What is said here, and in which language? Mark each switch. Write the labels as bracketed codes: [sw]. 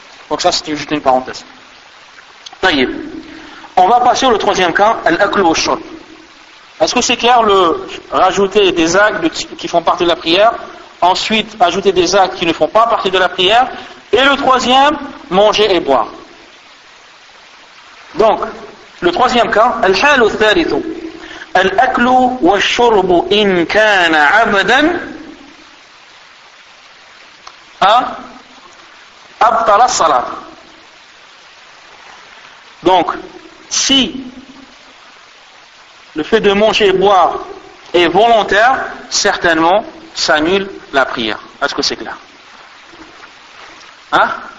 [fr] Donc ça c'était juste une parenthèse. Taïeb. On va passer au troisième cas, al-aklu wa shurb. Est-ce que c'est clair le rajouter des actes qui font partie de la prière, ensuite ajouter des actes qui ne font pas partie de la prière, et le troisième, manger et boire. Donc, le troisième cas, [ar] الحال الثالث الأكل والشرب إن كان عبدا أبطل الصلاة. [fr] Donc, si le fait de manger et boire est volontaire, certainement ça annule la prière. Est-ce que c'est clair? Hein?